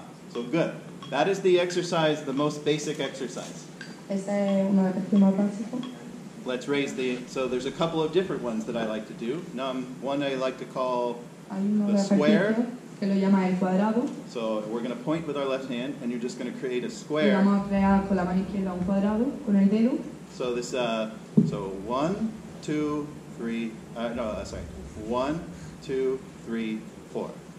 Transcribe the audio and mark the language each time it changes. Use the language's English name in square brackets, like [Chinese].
[English] So good. That is the exercise, the most basic exercise. [Spanish] Este es uno de los más básicos. [English] Let's raise the, so there's a couple of different ones that I like to do. One I like to call the square. [Spanish] Que lo llama el cuadrado. [English] So we're going to point with our left hand and you're just going to create a square. [Spanish] Y vamos a crear con la mano izquierda un cuadrado con el dedo. [English] So this, so one, two, three, one, two, three, four.